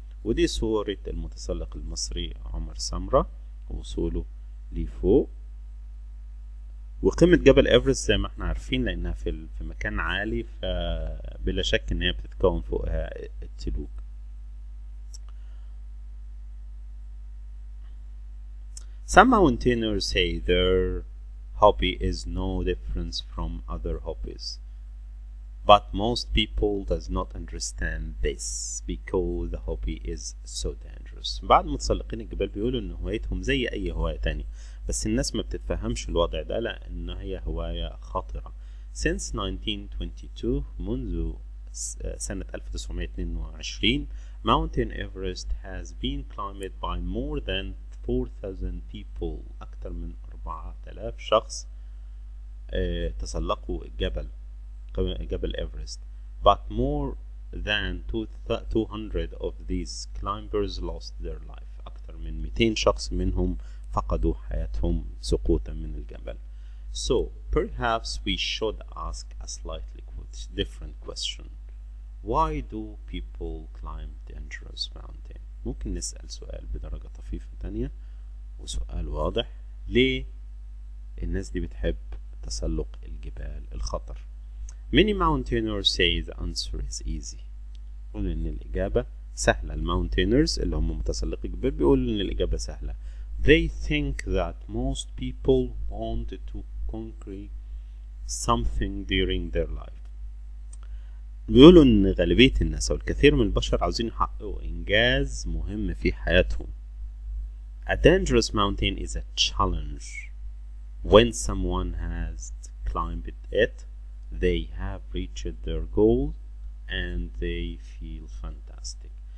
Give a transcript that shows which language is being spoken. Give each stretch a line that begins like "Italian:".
Arabic: ودي صورة المتسلق المصري عمر سمرة وصوله لفوق. وقمة جبل إيفرست زي ما احنا عارفين لأنها في مكان عالي فبلا شك إنها بتتكون فوقها التلوج.
English: Some mountaineers say their hobby is no difference from other hobbies, but most people does not understand this because the hobby is so dangerous.
Arabic: بعض متسلقين الجبال بيقولوا ان هوايتهم زي اي هواية تانية, بس الناس ما بتتفهمش الوضع ده لان هي هواية خطرة.
English: Since 1922,
Arabic: منذ سنة 1922,
English: Mountain Everest has been climbed by more than 4,000 people,
Arabic: أكثر من 4,000 شخص تسلقوا جبل إيفرست.
English: But more than 200 of these climbers lost their life,
Arabic: أكثر من 200 شخص منهم فقدوا حياتهم سقوطا من الجبل.
English: So perhaps we should ask a slightly different question. Why do people climb dangerous mountain?
Arabic: ممكن نسأل سؤال بدرجة طفيفة تانية وسؤال واضح, ليه الناس دي بتحب تسلق الجبال الخطر؟
English: Many mountaineers say the answer is easy.
Arabic: يقول ان الإجابة سهلة. Mountaineers اللي هم متسلقي الجبال بيقول ان الإجابة سهلة.
English: They think that most people want to conquer something during their life.
Arabic: بيقولوا ان غالبية الناس والكثير من البشر عاوزين يحققوا إنجاز مهم في حياتهم.
English: A dangerous mountain is a challenge. When someone has climbed it, they have reached their goal and they feel fantastic.